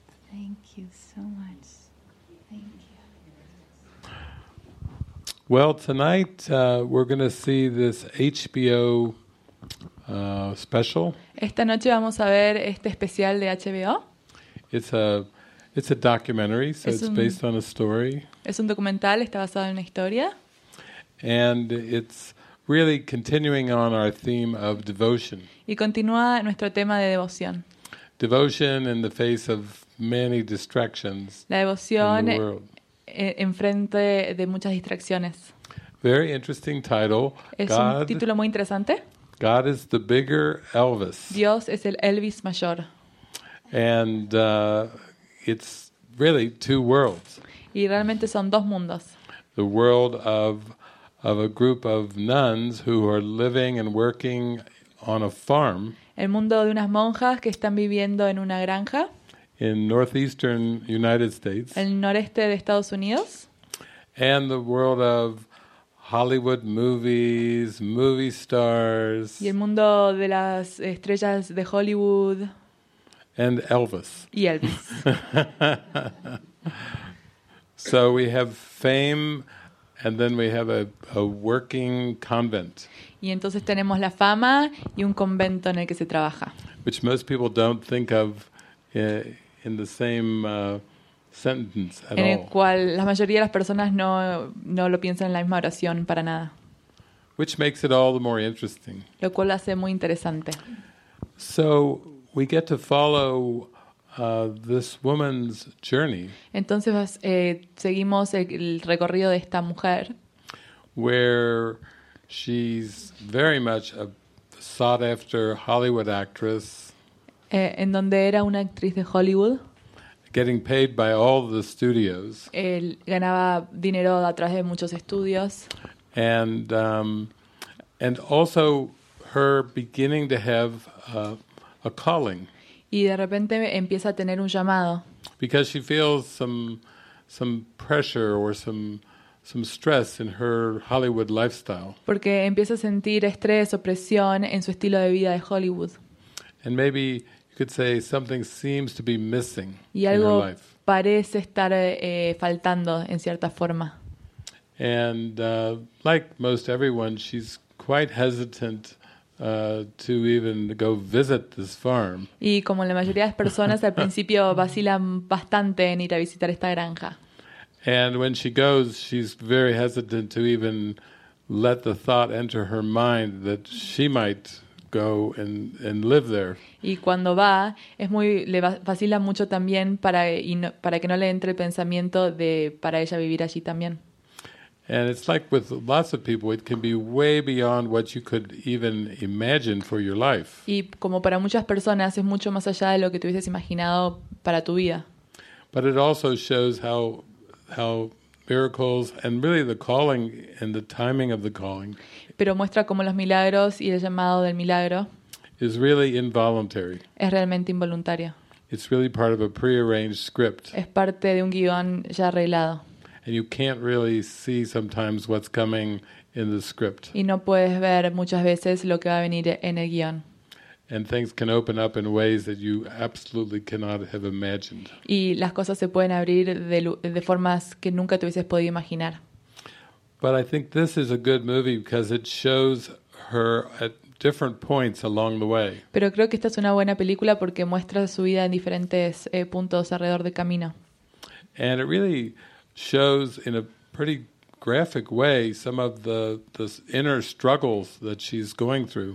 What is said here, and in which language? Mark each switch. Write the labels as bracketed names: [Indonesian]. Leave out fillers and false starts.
[English] Thank you so much. Thank you. Well, tonight we're going to see this HBO special. [Spanish] Esta noche vamos a ver este especial de HBO. [English] It's a documentary, so it's based on a story. [Spanish] Es un documental, está basado en una historia. [English] And it's really continuing on our theme of devotion. [Spanish] Y continúa nuestro tema de devoción. [English] Devotion in the face of many distractions. [Spanish] La devoción en frente de muchas distracciones. [English] Very interesting title. [Spanish] Es God, un título muy interesante. [English] God is the bigger Elvis. [Spanish] Dios es el Elvis mayor. [English] And it's really two worlds. [Spanish] Y realmente son dos mundos. [English] The world of a group of nuns who are living and working on a farm. [Spanish] El mundo de unas monjas que están viviendo en una granja. [English] In northeastern United States. [Spanish] El noreste de Estados Unidos. [English] And the world of Hollywood movies, movie stars. [Spanish] Y el mundo de las estrellas de Hollywood. [English] And Elvis. [Spanish] Y Elvis. [English] So we have fame and then we have a working convent. [Spanish] Y entonces tenemos la fama y un convento en el que se trabaja. [English] Which most people don't think of in the same sentence at all. [Spanish] En el cual la mayoría de las personas no lo piensan en la misma oración para nada. [English] Which makes it all the more interesting. [Spanish] Lo cual lo hace muy interesante. [English] So we get to follow this woman's journey. [Spanish] Entonces seguimos el recorrido de esta mujer. [English] Where she's very much a sought after Hollywood actress. [Spanish] En donde era una actriz de Hollywood. [English] Getting paid by all the studios. [Spanish] Él ganaba dinero a través de muchos estudios. [English] And and also her beginning to have a calling. [Spanish] Y de repente empieza a tener un llamado. [English] Because she feels some pressure or some stress in her Hollywood lifestyle. [Spanish] Porque empieza a sentir estrés o presión en su estilo de vida de Hollywood. [English] And maybe you could say something seems to be missing in her life. [Spanish] Y algo parece estar faltando en cierta forma. [English] And like most everyone, she's quite hesitant to even go visit this farm. [Spanish] Y como la mayoría de las personas al principio vacilan bastante en ir a visitar esta granja. [English] And when she goes, she's very hesitant to even let the thought enter her mind that she might go and live there. [Spanish] Y cuando va, es muy le vacila mucho también para que no le entre el pensamiento de para ella vivir allí también. [English] And it's like with lots of people, it can be way beyond what you could even imagine for your life. [Spanish] Y como para muchas personas es mucho más allá de lo que te hubieses imaginado para tu vida. [English] But it also shows how miracles and really the calling and the timing of the calling. [Spanish] Pero muestra cómo los milagros y el llamado del milagro [English] is really involuntary. [Spanish] Es realmente involuntario. [English] It's really part of a prearranged script. [Spanish] Es parte de un guion ya arreglado. [English] And you can't really see sometimes what's coming in the script. [Spanish] Y no puedes ver muchas veces lo que va a venir en el guion. [English] And things can open up in ways that you absolutely cannot have imagined. [Spanish] Y las cosas se pueden abrir de formas que nunca te hubieses podido imaginar. [English] But I think this is a good movie because it shows her at different points along the way. [Spanish] Pero creo que esta es una buena película porque muestra su vida en diferentes puntos alrededor del camino. [English] And it really shows in a pretty graphic way some of the inner struggles that she's going through.